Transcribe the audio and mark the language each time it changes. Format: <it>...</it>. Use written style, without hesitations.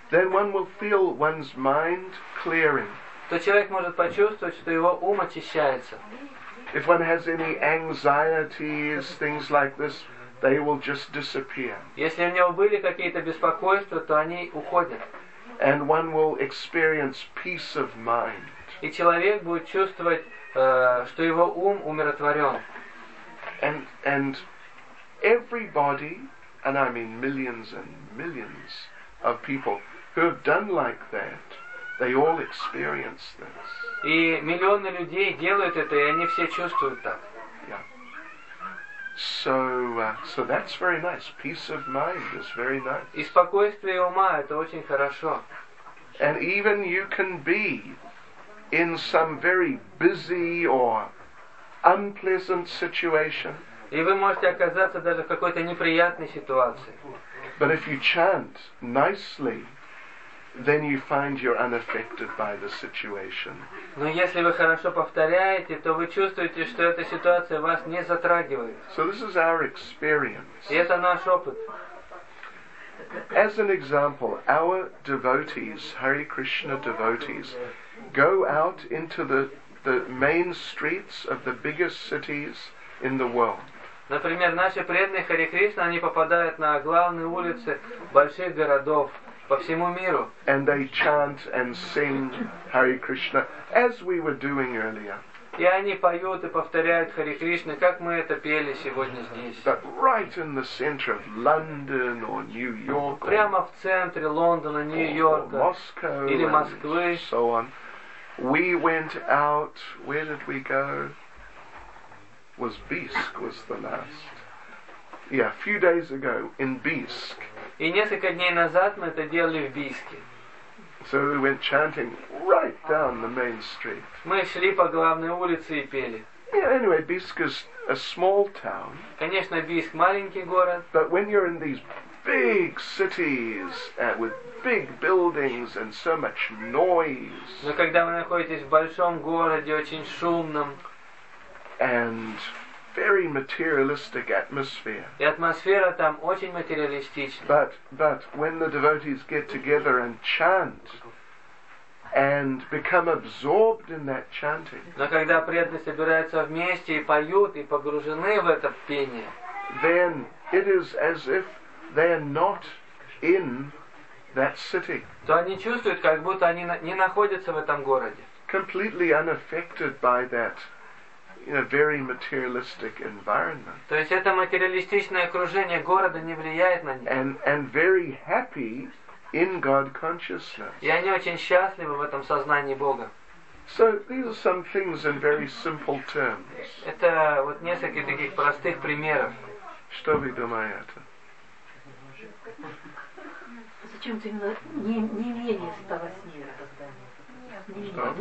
<en>Then one will feel one's mind clearing.</en> <ru>То человек может почувствовать, что его ум очищается.</ru> <en>If one has any anxieties, things like this, they will just disappear.</en> <ru>Если у него были какие-то беспокойства, то они уходят.</ru> <en>And one will experience peace of mind.</en> <ru>И человек будет чувствовать, что его ум умиротворен.</ru> <en>And everybody, and I mean millions and millions of people who have done like that, they all experience this.</en> <ru>И миллионы людей делают это, и они все чувствуют так.</ru> <en>Yeah. So that's very nice. Peace of mind is very nice.</en> <ru>И спокойствие ума — это очень хорошо.</ru> <en>And even you can be in some very busy or unpleasant situation.</en> <ru>И вы можете оказаться даже в какой-то неприятной ситуации.</ru> <en>But if you chant nicely, then you find you're unaffected by the situation.</en> <ru>Но если вы хорошо повторяете, то вы чувствуете, что эта ситуация вас не затрагивает.</ru> <en>So this is our experience.</en> <ru>И это наш опыт.</ru> <en>As an example, our devotees, Hare Krishna devotees, go out into the main streets of the biggest cities in the world.</en> <ru>Например, наши преданные Харе Кришна, они попадают на главные улицы больших городов по всему миру.</ru> <en>And they chant and sing Hare Krishna, as we were doing earlier.</en> <ru>И они поют и повторяют Харе Кришна, как мы это пели сегодня здесь.</ru> <en>But right in the center of London or New York.</en> <ru>Прямо в центре Лондона, Нью-Йорка.</ru> <en>Moscow.</en> <ru>Или Москвы.</ru> <en>And so on. We went out. Where did we go? Was Bisk was the last. Yeah, a few days ago in Bisk.</en> <ru>И несколько дней назад мы это делали в Бийске.</ru> <en>So we went chanting right down the main street.</en> <ru>Мы шли по главной улице и пели.</ru> <en>Yeah, anyway, Bisk is a small town.</en> <ru>Конечно, Бийск маленький город.</ru> <en>But when you're in these big cities with big buildings and so much noise.</en> <ru>Но когда вы находитесь в большом городе, очень шумном.</ru> <en>And very materialistic atmosphere.</en> <ru>И атмосфера там очень материалистичная.</ru> <en>But when the devotees get together and chant and become absorbed in that chanting.</en> <ru>Но когда преданные собираются вместе и поют и погружены в это пение.</ru> <en>Then it is as if they are not in that city.</en> <ru>То они чувствуют, как будто они не находятся в этом городе.</ru> <en>Completely unaffected by that. In a very materialistic environment.</en> <ru>То есть это материалистичное окружение города не влияет на них.</ru> <en>And very happy in God consciousness.</en> <ru>И они очень счастливы в этом сознании Бога.</ru> <en>So these are some things in very simple terms.</en> <ru>Это вот несколько таких простых примеров. Что вы думаете? Зачем ты не менее стала с ним тогда?</ru>